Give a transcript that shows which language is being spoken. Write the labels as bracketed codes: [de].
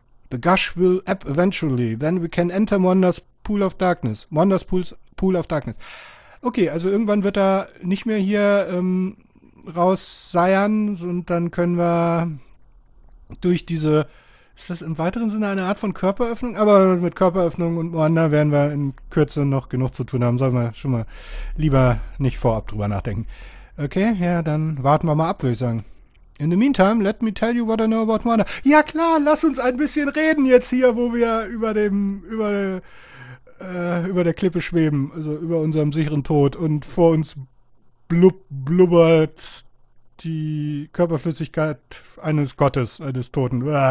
[en] The gush will ebb eventually, then we can enter Moanda's Pool of Darkness. Moanda's Pool of Darkness. [de] Okay, also irgendwann wird er nicht mehr hier rausseiern und dann können wir durch diese... Ist das im weiteren Sinne eine Art von Körperöffnung? Aber mit Körperöffnung und Moanda werden wir in Kürze noch genug zu tun haben. Sollen wir schon mal lieber nicht vorab drüber nachdenken. Okay, ja, dann warten wir mal ab, würde ich sagen. [en] In the meantime, let me tell you what I know about Moana. [de] Ja klar, lass uns ein bisschen reden jetzt hier, wo wir über der Klippe schweben, also über unserem sicheren Tod und vor uns blubbert die Körperflüssigkeit eines Gottes, eines Toten.